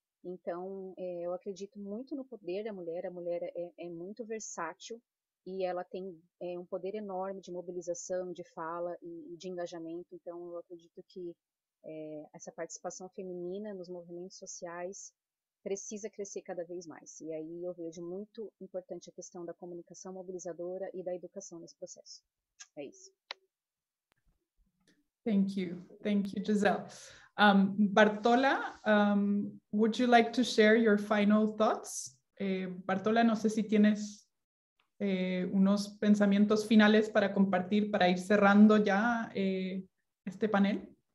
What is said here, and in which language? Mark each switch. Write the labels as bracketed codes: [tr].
[pt] Então, eu acredito muito no poder da mulher, a mulher é muito versátil, e ela tem um poder enorme de mobilização, de fala e de engajamento. Então, eu acredito que essa participação feminina nos movimentos sociais precisa crescer cada vez mais. E aí eu vejo muito importante a questão da comunicação mobilizadora e da educação nesse processo. É isso. [en] Thank you, Gisele. Bartola, would you like to share your final thoughts? [es] Bartola, no sé si tienes unos pensamientos finales para compartir, para ir cerrando ya este panel.